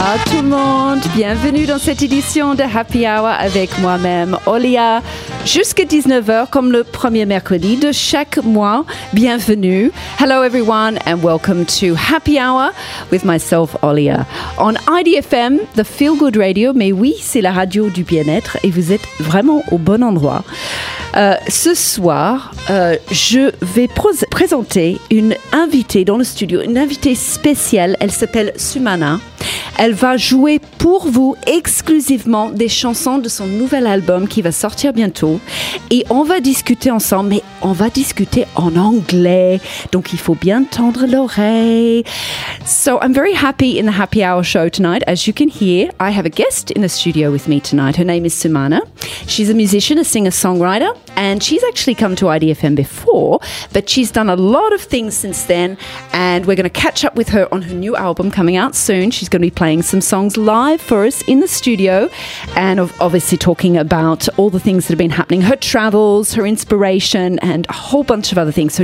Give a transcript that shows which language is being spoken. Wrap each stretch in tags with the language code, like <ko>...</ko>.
<fr>tout le monde, bienvenue dans cette édition de Happy Hour avec moi-même, Olia. Jusqu'à 19h, comme le premier mercredi de chaque mois, bienvenue.</fr> <en>Hello everyone and welcome to Happy Hour with myself, Olia. On IDFM, the Feel Good Radio,</en> <fr>mais oui, c'est la radio du bien-être et vous êtes vraiment au bon endroit. Ce soir, je vais présenter une invitée dans le studio, une invitée spéciale, elle s'appelle Sumana. Elle va jouer pour vous exclusivement des chansons de son nouvel album qui va sortir bientôt. Et on va discuter ensemble, mais on va discuter en anglais. Donc il faut bien tendre l'oreille.</fr> <en>So I'm very happy in the Happy Hour show tonight. As you can hear, I have a guest in the studio with me tonight. Her name is Sumana. She's a musician, a singer-songwriter. And she's actually come to IDFM before, but she's done a lot of things since then. And we're going to catch up with her on her new album coming out soon. She's going to be playing some songs live for us in the studio and obviously talking about all the things that have been happening, her travels, her inspiration, and a whole bunch of other things.</en>